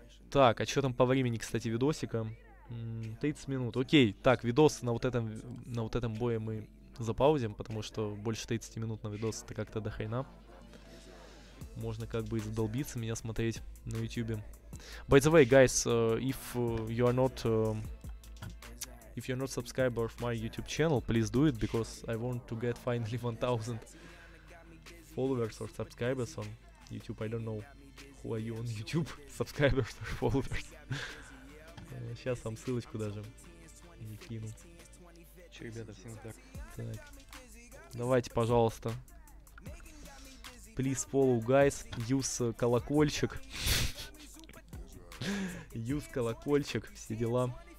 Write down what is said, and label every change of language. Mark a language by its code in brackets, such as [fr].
[ru] Так, а что там по времени, кстати, видосика? 30 минут. Окей, так, видос на вот этом бое мы запаузим, потому что больше 30 минут на видос это как-то до хрена. Можно как бы и задолбиться меня смотреть на YouTube. [en] By the way, guys, if you're not subscriber of my YouTube channel, please do it, because I want to get finally 1000 followers or subscribers on YouTube. I don't know who are you on YouTube, subscribers or followers. [ru] Сейчас вам ссылочку даже не кину. Че, ребята, всем так. Так. Давайте, пожалуйста. [en] Please follow, guys. Use колокольчик. [ru] Use колокольчик. Все дела.